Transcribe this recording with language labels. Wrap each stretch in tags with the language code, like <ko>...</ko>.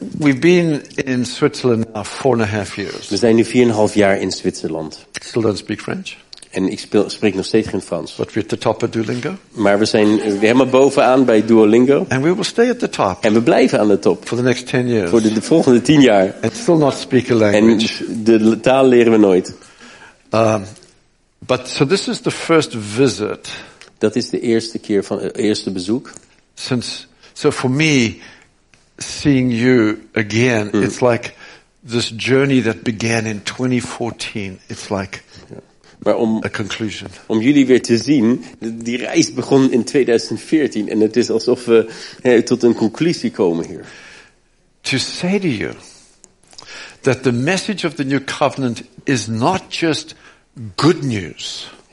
<en>We've been in Switzerland now 4.5 years.</en> <nl>We zijn nu 4.5 jaar in Zwitserland.</nl> <en>Still don't speak French.</en> <nl>En ik spreek nog steeds geen Frans.</nl> <en>But we're at the top of Duolingo.</en> <nl>Maar we zijn helemaal bovenaan bij Duolingo.</nl> <en>And we will stay at the top.</en> <nl>En we blijven aan de top.</nl> <en>For the next 10 years.</en> <nl>Voor de volgende 10 jaar.</nl> <en>And still not speak a language.</en> <nl>En de taal leren we nooit.</nl> <en>But so this is the first visit.</en> <nl>Dat is de eerste keer van het eerste bezoek.</nl> <en>So for me, seeing you again, it's like this journey that began in 2014. It's like</en> <nl>maar</nl> <en>a conclusion.</en> <nl>Om jullie weer te zien, die reis begon in 2014, en het is alsof we tot een conclusie komen hier.</nl> <en>To say to you that the message of the new covenant is not just good news.</en>